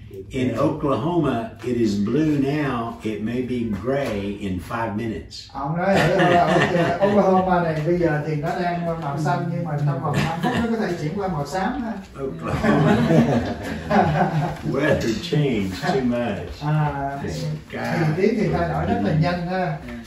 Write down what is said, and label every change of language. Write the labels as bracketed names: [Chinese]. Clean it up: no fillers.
[English] In Oklahoma, it is blue now. It may be gray in 5 minutes. [Vietnamese] Ông nói ở Oklahoma này bây giờ thì nó đang màu xanh nhưng mà trong vòng 5 phút nó có thể chuyển qua màu xám. [English] Oklahoma. Weather changed too much. [Vietnamese] Thời tiết thì thay đổi rất là nhanh ha.